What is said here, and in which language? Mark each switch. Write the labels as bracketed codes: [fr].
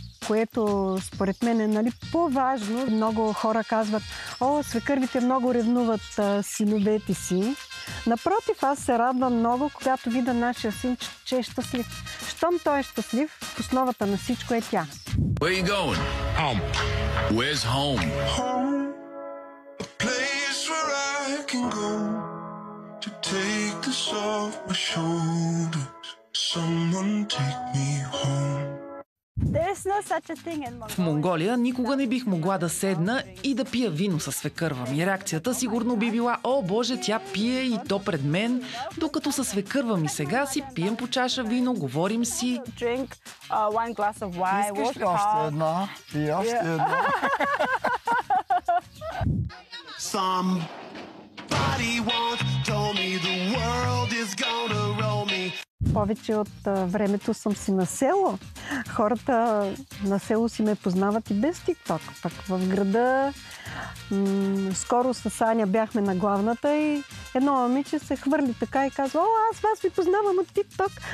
[bg] което според мен е, нали, по-важно. Много хора казват: о, свекървите много ревнуват синовете си. Напротив, аз се радвам много, когато видя нашия син, че е щастлив. Щом той е щастлив, в основата на всичко е тя. [en] Where you going? Home. Where's home? Home. A place where I can go to take this off my shoulders. Someone take me home. There's no such a thing in Mongolia. [bg] В Монголия никога не бих могла да седна и да пия вино със свекърва ми. Реакцията сигурно би била: о, Боже, тя пие и то пред мен. Докато със свекърва ми сега си пием по чаша вино, говорим си. Искаш ли още една? И още една. [en] Somebody won't tell me the world is gonna roll me. [bg] Повече от времето съм си на село. Хората на село си ме познават и без TikTok. Пък в града скоро с Аня бяхме на главната и едно момиче се хвърли така и казва: о, аз вас ви познавам от TikTok.